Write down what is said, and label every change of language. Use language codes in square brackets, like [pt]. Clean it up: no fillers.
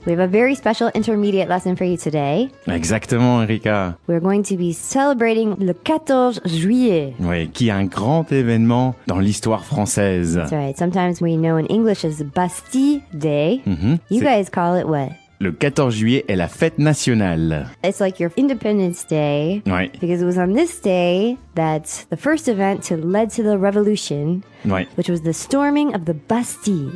[en] We have a very special intermediate lesson for you today. [fr] Exactement, Erika. [en] We're going to be celebrating le 14 juillet. [fr] Oui, qui est un grand événement dans l'histoire française. [en] That's right. Sometimes we know in English as Bastille Day. Mm-hmm. You guys call it what? [fr] Le 14 juillet est la fête nationale. [en] It's like your Independence Day. [fr] Oui. [en] Because it was on this day that the first event to led to the revolution, [fr] oui. [en] Which was the storming of the Bastille.